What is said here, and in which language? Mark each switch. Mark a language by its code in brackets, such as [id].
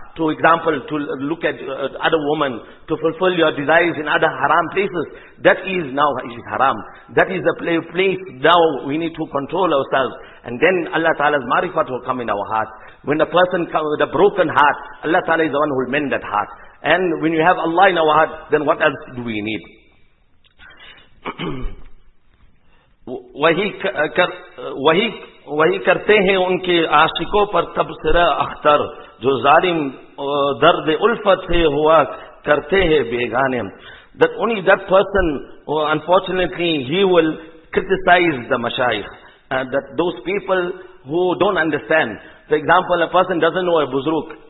[en] To example, to look at other women, to fulfill your desires in other haram places, that is now haram. That is the place now we need to control ourselves. And then Allah Ta'ala's marifat will come in our heart. When a person comes with a broken heart, Allah Ta'ala is the one who will mend that heart. And when you have Allah in our heart, then what else do we need? [ur] وہی کرتے ہیں ان کے عاشقوں پر تبصرہ اختر جو ظالم درد الفت سے ہوا کرتے ہیں بیگانے. [en] That only that person, unfortunately, he will criticize the mashayikh. That those people who don't understand. For example, a person doesn't know a buzruk.